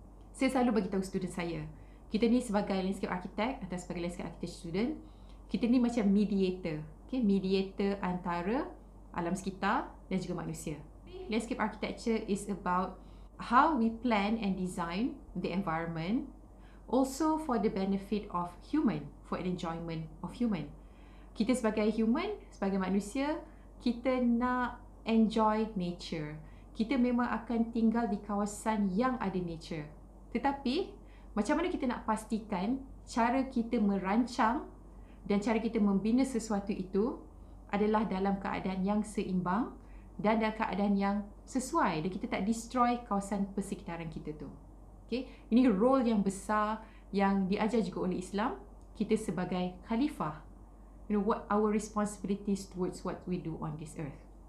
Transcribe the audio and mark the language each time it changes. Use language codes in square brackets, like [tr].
[ms] Saya selalu beritahu student saya, kita ni sebagai landscape architect atau sebagai landscape architect student, kita ni macam mediator. Okay? Mediator antara alam sekitar dan juga manusia. [en] Landscape architecture is about how we plan and design the environment also for the benefit of human, for the enjoyment of human. [ms] kita sebagai human, sebagai manusia, kita nak [en] enjoy nature. [ms] Kita memang akan tinggal di kawasan yang ada nature. Tetapi, macam mana kita nak pastikan cara kita merancang dan cara kita membina sesuatu itu adalah dalam keadaan yang seimbang dan dalam keadaan yang sesuai dan kita tak destroy kawasan persekitaran kita tu. Okay? Ini role yang besar yang diajar juga oleh Islam, kita sebagai khalifah. [en] You know, what our responsibilities towards what we do on this earth.